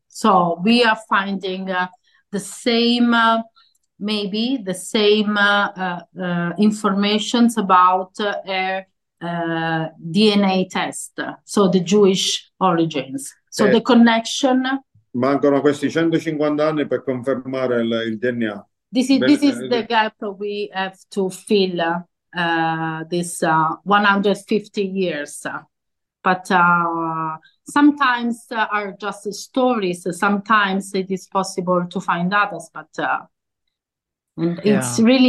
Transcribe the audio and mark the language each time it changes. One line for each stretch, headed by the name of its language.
English: So we are finding the same, maybe the same informations about her DNA test, so the Jewish origins. So the connection.
Italian: Mancano questi 150 anni per confermare il DNA.
English: This is the gap we have to fill, this 150 years. But sometimes are just stories. Sometimes it is possible to find others, but it's really